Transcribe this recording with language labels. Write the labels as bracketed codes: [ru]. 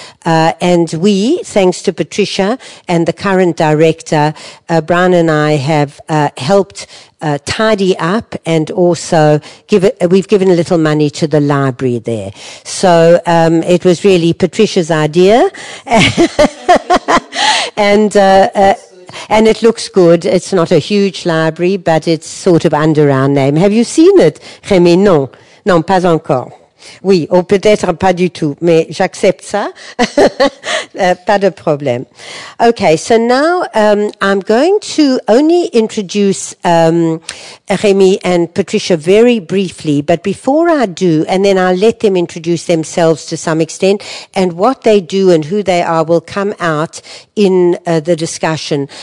[en] And we, thanks to Patricia and the current director, Brian and I have helped tidy up, and also we've given a little money to the library there. So it was really Patricia's idea. And it looks good. It's not a huge library, but it's sort of under our name. Have you seen it, Rémi? [fr] Non. Non, pas encore. Oui, ou peut-être pas du tout, mais j'accepte ça. pas de problème. [en] Okay, so now I'm going to only introduce Rémi and Patricia very briefly, but before I do, and then I'll let them introduce themselves to some extent, and what they do and who they are will come out in the discussion.